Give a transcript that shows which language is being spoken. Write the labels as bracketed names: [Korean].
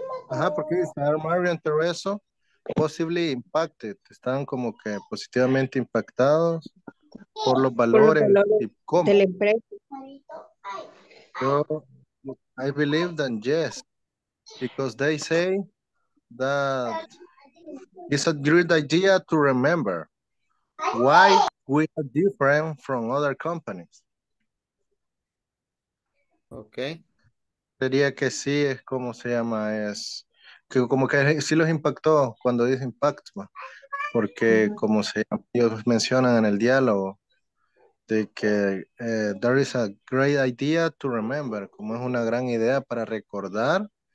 [Spanish] Ajá, porque Mario y Teresa [English] possibly impacted, [Spanish] están como que positivamente impactados por los valores, por los valores y cómo de la empresa. [English] Yo, I believe that yes, because they say that it's a great idea to remember why we are different from other companies. Okay. [Spanish] Sería que sí, es como se llama, es que como que sí los impactó cuando dice impacto, porque como se llama, ellos mencionan en el diálogo de que [English] there is a great idea to remember, [Spanish] como es una gran idea para recordar.